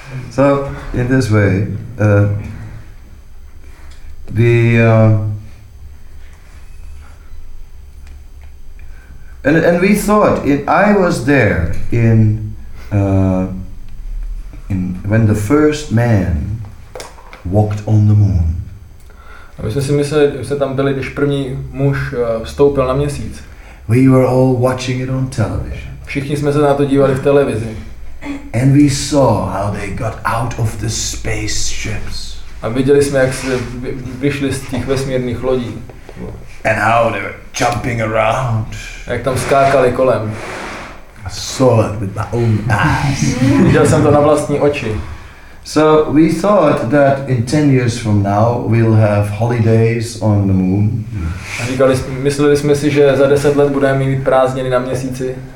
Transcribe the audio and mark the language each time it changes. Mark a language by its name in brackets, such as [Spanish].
[English] So, in this way, and we thought it, I was there in when the first man walked on the moon. [Czech] A my jsme si mysleli, že jste tam byli, když první muž vstoupil na měsíc. [English] We were all watching it on television. [Czech] Všichni jsme se na to dívali v televizi. [English] And we saw how they got out of the spaceships. [Czech] A viděli jsme, jak se vyšli z těch vesmírných lodí. [English] And how they were jumping around. [Czech] Jak tam skákali kolem. [English] I saw it with my own eyes. [Czech] Viděl jsem to na vlastní oči. [English] So we thought that in 10 years from now we'll have holidays on the moon. [Czech] A říkali jsme, mysleli jsme si, že za 10 let budeme mít prázdniny na měsíci.